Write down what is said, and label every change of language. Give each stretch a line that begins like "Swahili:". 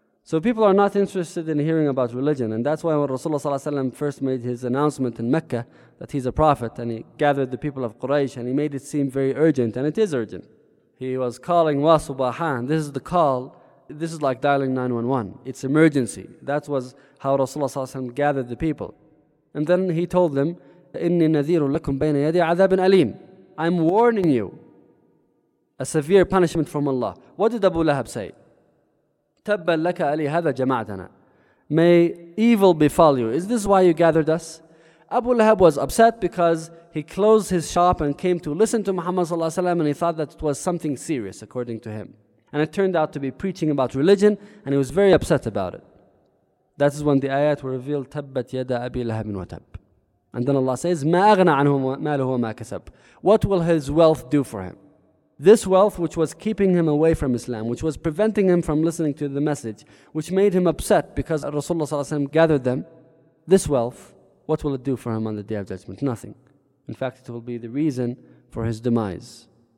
English: So people are not interested in hearing about religion. And that's why when Rasulullah ﷺ first made his announcement in Mecca that he's a prophet, and he gathered the people of Quraysh, and he made it seem very urgent, and it is urgent. He was calling wa subahan. This is the call. This is like dialing 911. It's emergency. That was how Rasulullah ﷺ gathered the people. And then he told them,
Arabic: إِنِّي نَذِيرٌ لَكُمْ بَيْنَ يَدِي عَذَابٍ أَلِيمٍ.
English: I'm warning you. A severe punishment from Allah. What did Abu Lahab say?
Arabic: تَبَّلْ لَكَ أَلِي هَذَا جَمَعْتَنَا.
English: May evil befall you. Is this why you gathered us? Abu Lahab was upset because he closed his shop and came to listen to Muhammad sallallahu alaihi wasallam, and he thought that it was something serious, according to him. And it turned out to be preaching about religion, and he was very upset about it. That is when the ayat were revealed,
Arabic: تَبَّتْ يَدَى أَبِي لَهَبٍ وَتَبْ.
English: And then Allah says,
Arabic: مَا أَغْنَى عَنْهُ مَالُهُ وَمَا كَسَبْ.
English: What will his wealth do for him? This wealth, which was keeping him away from Islam, which was preventing him from listening to the message, which made him upset because Rasulullah sallallahu alaihi wasallam gathered them, this wealth, what will it do for him on the Day of Judgment? Nothing. In fact, it will be the reason for his demise.